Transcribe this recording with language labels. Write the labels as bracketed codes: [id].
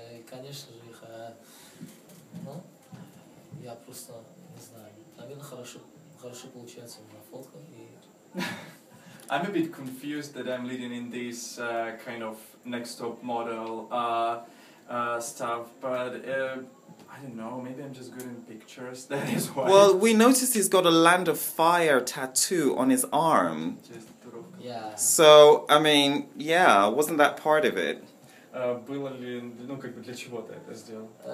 [ru] Конечно же, их, ну, я просто не знаю. Наверное, хорошо получается на фотках. [en] I'm a bit confused that I'm leading in this kind of next top model stuff, but I don't know, maybe I'm just good in pictures, that is why. Well, we noticed he's got a Land of Fire tattoo on his arm. Yeah. So, I mean, yeah, wasn't that part of it? [ru] Было ли, ну, как бы, для чего ты это сделал?